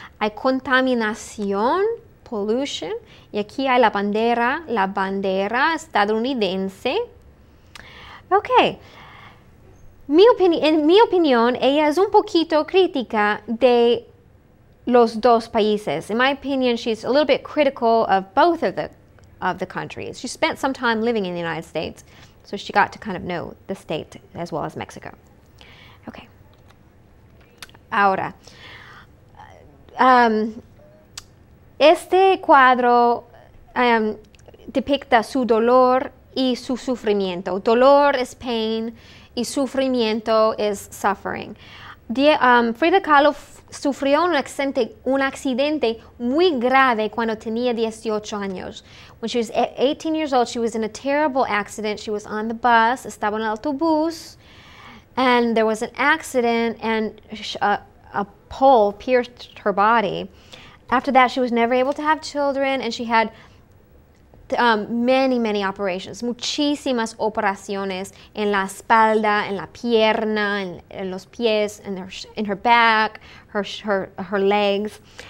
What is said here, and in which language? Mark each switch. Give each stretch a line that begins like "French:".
Spanish: Hay contaminación, pollution. Y aquí hay la bandera estadounidense. Okay. En mi opinión, ella es un poquito crítica de los dos países.
English: In my opinion, she's a little bit critical of both of the countries. She spent some time living in the United States, so she got to kind of know the state as well as Mexico. Okay.
Spanish: Ahora, este cuadro depicta su dolor y su sufrimiento.
English: Dolor is pain, y sufrimiento is suffering.
Spanish: Frida Kahlo sufrió un accidente muy grave cuando tenía 18 años.
English: When she was 18 years old, she was in a terrible accident. She was on the bus,
Spanish: estaba en el autobús,
English: and there was an accident, and a pole pierced her body. After that, she was never able to have children, and she had many, many operations,
Spanish: muchísimas operaciones en la espalda, en la pierna, en los pies,
English: in her back, her legs.